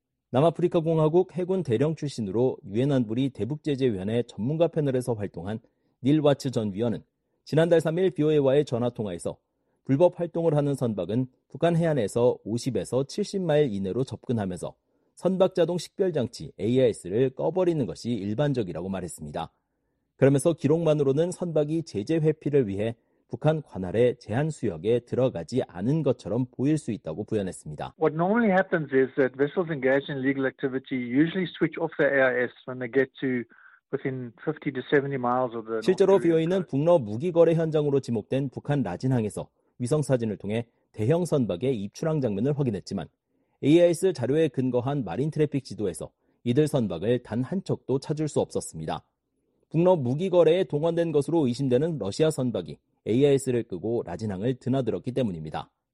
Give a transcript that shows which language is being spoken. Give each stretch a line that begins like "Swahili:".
Korean: 남아프리카공화국 해군 대령 출신으로 유엔 안보리 대북제재위원회 전문가 패널에서 활동한 닐 와츠 전 위원은 지난달 3일 BOA와의 전화통화에서 불법 활동을 하는 선박은 북한 해안에서 50에서 70마일 이내로 접근하면서 선박 자동 식별장치 AIS를 꺼버리는 것이 일반적이라고 말했습니다. 그러면서 기록만으로는 선박이 제재 회피를 위해 북한 관할의 제한 수역에 들어가지 않은 것처럼 보일 수 있다고 부연했습니다.
English: What normally happens is that vessels engaged in illegal activity usually switch off their AIS when they get to within 50 to 70 miles of the
Korean: 실제로 BOA는 북러 무기 거래 현장으로 지목된 북한 라진항에서 위성 사진을 통해 대형 선박의 입출항 장면을 확인했지만 AIS 자료에 근거한 마린 트래픽 지도에서 이들 선박을 단 한 척도 찾을 수 없었습니다. 북러 무기 거래에 동원된 것으로 의심되는 러시아 선박이 AIS를 끄고 라진항을 드나들었기 때문입니다.